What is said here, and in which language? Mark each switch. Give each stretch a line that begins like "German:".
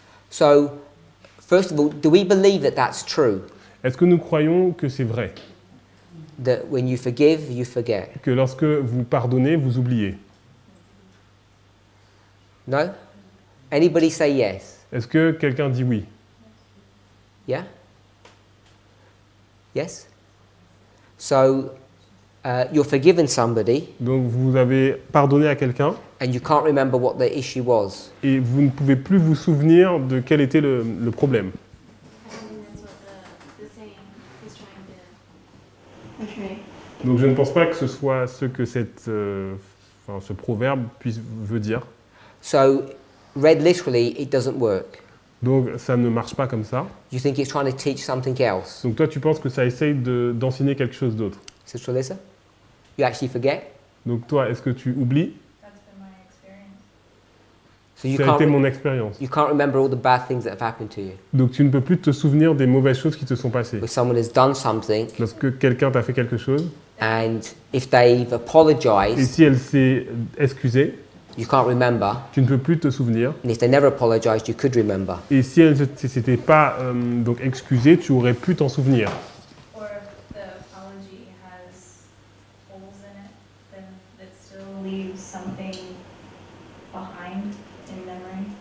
English: So, first of all, do we believe that that's true?
French: Est-ce que nous croyons que c'est vrai?
English: That when you forgive, you forget.
French: Que lorsque vous pardonnez, vous oubliez.
English: No? Anybody say yes?
French: Est-ce que quelqu'un dit oui?
English: Yeah? Yes? So, you're forgiven somebody.
French: Donc vous avez pardonné à quelqu'un.
English: And you can't remember what the issue was.
French: Et vous ne pouvez plus vous souvenir de quel était le problème. Donc je ne pense pas que ce soit ce que ce proverbe veut dire.
English: So, read literally, it doesn't work.
French: Donc ça ne marche pas comme ça.
English: You think it's trying to teach something else.
French: Donc toi tu penses que ça essaye d'enseigner quelque chose d'autre. C'est sur ça?
English: You actually forget?
French: Donc toi, est-ce que tu oublies?
English: That's been my experience.
French: Ça a été mon expérience.
English: You can't remember all the bad things that have happened to you.
French: Donc tu ne peux plus te souvenir des mauvaises choses qui te sont passées.
English: When someone has done something.
French: Lorsque quelqu'un t'a fait quelque chose.
English: And if they've apologized,
French: et si elle s'est excusée,
English: you can't remember.
French: Tu ne peux plus te souvenir.
English: And if they never apologized, you could remember.
French: Et si elle ne s'était pas donc excusée, tu aurais pu t'en souvenir.
English: Or if the apology has holes in it, then it still leaves something behind in memory.